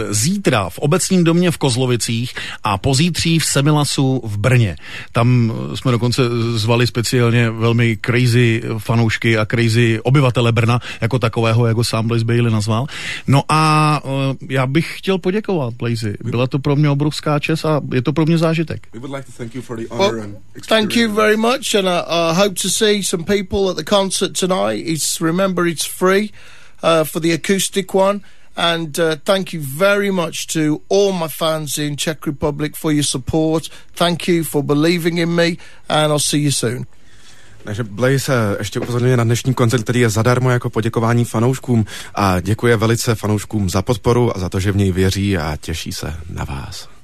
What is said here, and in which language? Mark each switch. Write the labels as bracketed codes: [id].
[cs] Zítra v Obecním domě v Kozlovicích a pozítří v Semilasu v Brně. Tam jsme dokonce zvali speciálně velmi crazy fanoušky a crazy obyvatele Brna, jako takového, jako sám Blaze Bailey nazval. No a já bych chtěl poděkovat Blaze. Byla to pro mě obrovská čest a je to pro mě zážitek. [en] We would like to thank you for the honor and experience. Thank you very much and I hope to see some people at the concert tonight. Remember, it's free for the acoustic one. And thank you very much to all my fans in Czech Republic for your support. Thank you for believing in me. And I'll see you soon. [cs] Takže Blaze ještě upozorňuje na dnešní koncert, který je zadarmo jako poděkování fanouškům. A děkuje velice fanouškům za podporu a za to, že v něj věří a těší se na vás.